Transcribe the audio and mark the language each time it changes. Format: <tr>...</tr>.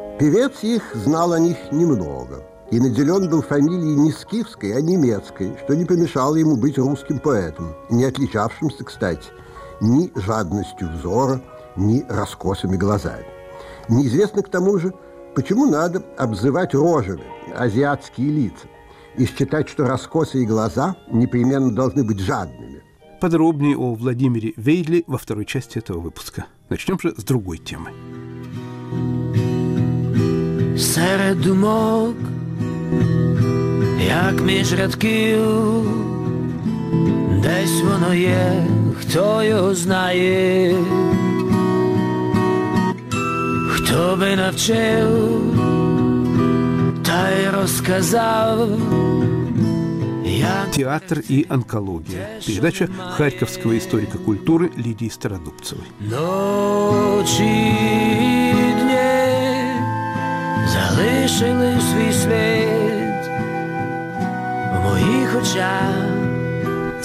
<ru>Певец их знал о них немного и наделен был фамилией не скифской, а немецкой, что не помешало ему быть русским поэтом, не отличавшимся, кстати, ни жадностью взора, ни раскосыми глазами. Неизвестно, к тому же, почему надо обзывать рожами азиатские лица и считать, что раскосые глаза непременно должны быть жадными. Подробнее о Владимире Вейдле во второй части этого выпуска. Начнем же с другой темы.</ru> <uk>Серед думок, як між рядків, десь воно є, хто його знає, хто би навчив та й розказав.</uk> <ru>Театр и онкология. Передача харьковского историка культуры Лидии Стародубцевой. Ночи и дни залишили свой свет в моих очах.</ru>